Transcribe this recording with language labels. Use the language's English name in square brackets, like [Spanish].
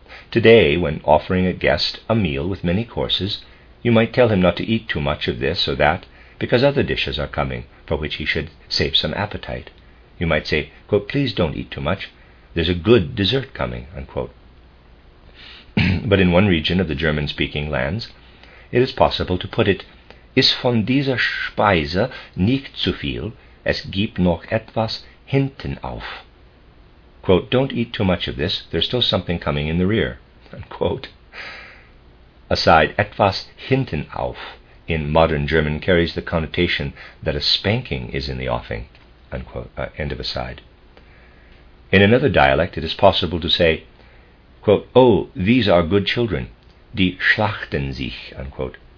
[English] Today, when offering a guest a meal with many courses, you might tell him not to eat too much of this or that, because other dishes are coming for which he should save some appetite. You might say, quote, please don't eat too much, there's a good dessert coming, unquote. But in one region of the German-speaking lands, it is possible to put it, [German] ist von dieser Speise nicht zu viel, es gibt noch etwas hinten auf. [English] Quote, don't eat too much of this, there's still something coming in the rear. Unquote. Aside, etwas hinten auf in modern German carries the connotation that a spanking is in the offing. Unquote. End of aside. In another dialect, it is possible to say, quote, oh, these are good children, [German] die schlachten sich, [English] unquote.